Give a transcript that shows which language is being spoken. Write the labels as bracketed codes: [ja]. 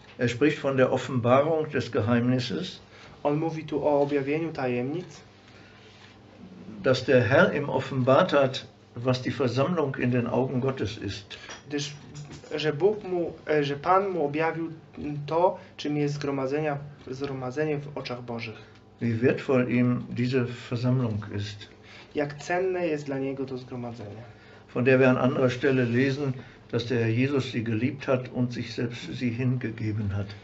[de] Er spricht von der Offenbarung des Geheimnisses. [pl] On mówi tu o objawieniu tajemnic. [de] Dass der Herr ihm offenbart hat, was die Versammlung in den Augen Gottes ist. [pl] Gdyż, że Bóg mu, że Pan mu objawił to, czym jest zgromadzenie w oczach Bożych. [de] Wie wertvoll ihm diese Versammlung ist. [pl] Jak cenne jest dla niego to zgromadzenie. [de] Von der wir an anderer Stelle lesen, dass der Herr Jesus sie geliebt hat und sich selbst für sie hingegeben hat.